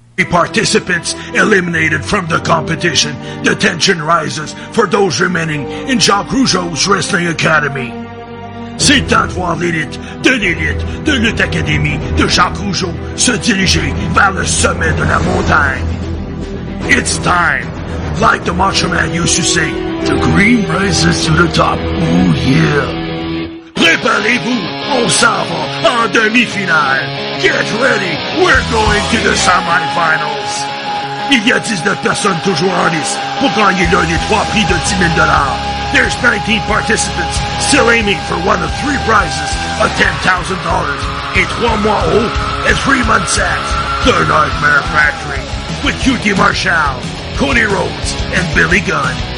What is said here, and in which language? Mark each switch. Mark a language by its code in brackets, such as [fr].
[en] Participants eliminated from the competition. The tension rises for those remaining in Jacques Rougeau's Wrestling Academy. [fr] C'est à toi l'élite de lutte académie de Jacques Rougeau se diriger vers le sommet de la montagne. [en] It's time, like the Macho Man used to say, the green rises to the top, oh yeah. [fr] Préparez-vous, on s'en va en demi-finale. [en] Get ready, we're going to the semi-finals. [fr] Il y a 19 personnes toujours en lice pour gagner l'un des trois prix de 10 000 $. [en] There's 19 participants still aiming for one of three prizes of $10,000 [fr] et 3 mois haut et [en] 3 months at The Nightmare Factory with QT Marshall, Cody Rhodes and Billy Gunn.